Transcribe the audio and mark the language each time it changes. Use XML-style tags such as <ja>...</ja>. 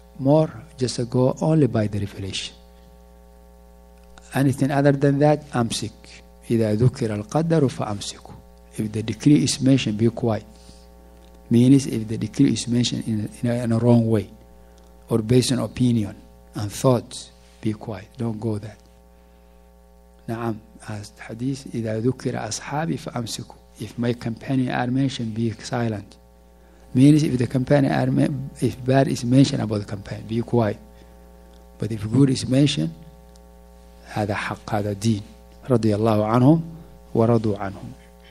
<en>more just go only by the revelation. Anything other than that,</en> <ar>أمسك. إذا ذكر القدر فأمسكه.</ar> <en>If the decree is mentioned, be quiet. Means if the decree is mentioned in a wrong way or based on opinion and thoughts, be quiet. Don't go that.</en> <ar>نعم.</ar> <en>As the hadith,</en> <ar>إذا ذكر أصحابي فأمسكه.</ar> <en>If my companion are mentioned, be silent. Means if the companion are, if bad is mentioned about the companion, be quiet. But if good is mentioned,</en> <ar>هذا حق هذا دين رضي الله عنهم ورضوا عنهم.</ar>